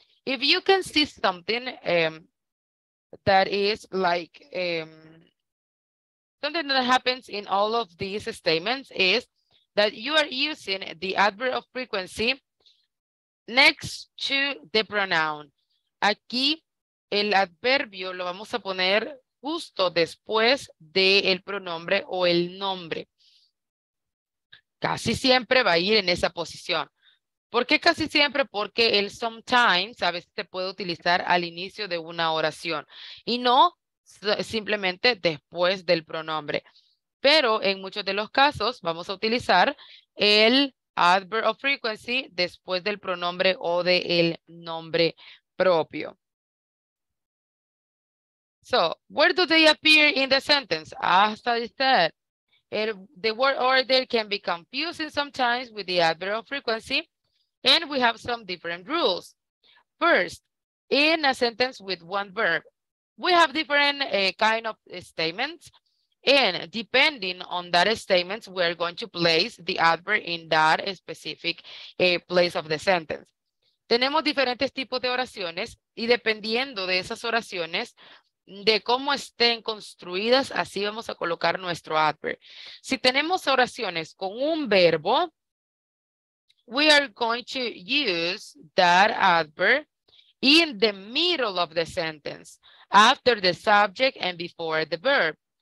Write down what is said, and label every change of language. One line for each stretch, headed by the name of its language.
English: If you can see something that is like something that happens in all of these statements is that you are using the adverb of frequency next to the pronoun.
Spanish: Aquí el adverbio lo vamos a poner justo después del pronombre o el nombre. Casi siempre va a ir en esa posición. ¿Por qué casi siempre? Porque el sometimes a veces se puede utilizar al inicio de una oración y no simplemente después del pronombre. Pero en muchos de los casos vamos a utilizar el adverb of frequency después del pronombre o del nombre propio.
English: So, where do they appear in the sentence? As I said, the word order can be confusing sometimes with the adverb of frequency, and we have some different rules. First, in a sentence with one verb, we have different kind of statements, and depending on that statement, we're going to place the adverb in that specific place of the sentence.
Spanish: Tenemos diferentes tipos de oraciones, y dependiendo de esas oraciones, de cómo estén construidas, así vamos a colocar nuestro adverb. Si tenemos oraciones con un verbo,
English: we are going to use that adverb in the middle of the sentence, after the subject and before the verb.